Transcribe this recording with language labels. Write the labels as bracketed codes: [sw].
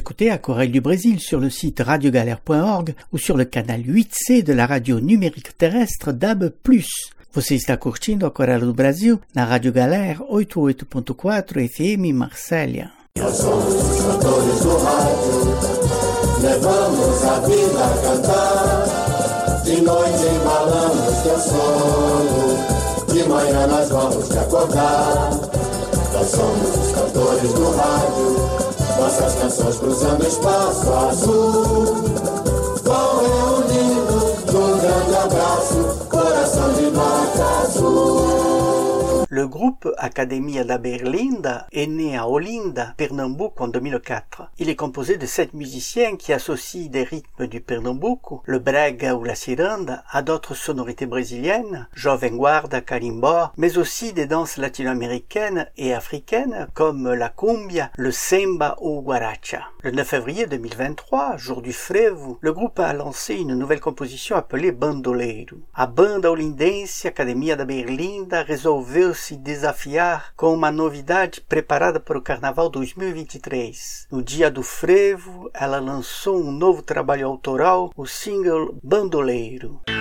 [fr] À Corée du Brésil sur le site radiogalère.org ou sur le canal 8C de la radio numérique terrestre DAB+. [pt] Você está curtindo a Corée do Brasil na Rádio Galère 88.4 FM Marselha. Nossas canções cruzando espaço azul, vão reunindo num grande abraço, coração de mata azul. [fr] Le groupe Academia da Berlinda est né à Olinda, Pernambuco, en 2004. Il est composé de 7 musiciens qui associent des rythmes du Pernambuco, le brega ou la ciranda, à d'autres sonorités brésiliennes, jovem guarda, carimbó, mais aussi des danses latino-américaines et africaines comme la cumbia, le semba ou guaracha. Le 9 février 2023, jour du frevo, le groupe a lancé une nouvelle composition appelée Bandoleiro. [pt] A banda olindense Academia da Berlinda resolveu se desafiar com uma novidade preparada para o Carnaval 2023. No dia do frevo, ela lançou um novo trabalho autoral, o single Bandoleiro.